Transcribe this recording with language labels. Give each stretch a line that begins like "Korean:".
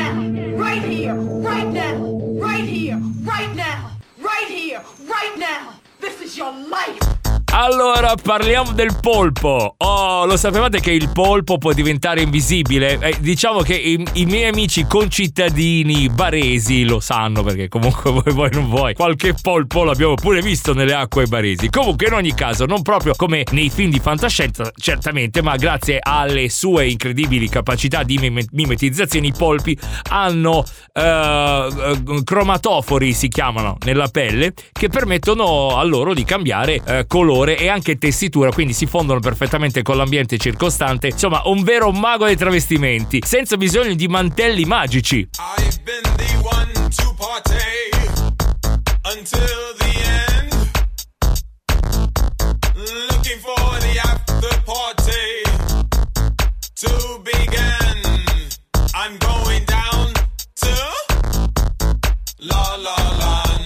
English: Right now, this is your life.
Italian: Allora, parliamo del polpo. Oh, lo sapevate che il polpo può diventare invisibile? Diciamo che i miei amici concittadini baresi lo sanno, perché comunque voi non vuoi. Qualche polpo l'abbiamo pure visto nelle acque baresi. Comunque, in ogni caso, non proprio come nei film di fantascienza, certamente, ma grazie alle sue incredibili capacità di mimetizzazione, i polpi hanno cromatofori, si chiamano, nella pelle, che permettono a loro di cambiare colore e anche tessitura, quindi si fondono perfettamente con l'ambiente circostante. Insomma, un vero mago dei travestimenti, senza bisogno di mantelli magici.
English: I've been the one to party until the end, looking for the after party to begin. I'm going down to La La Land.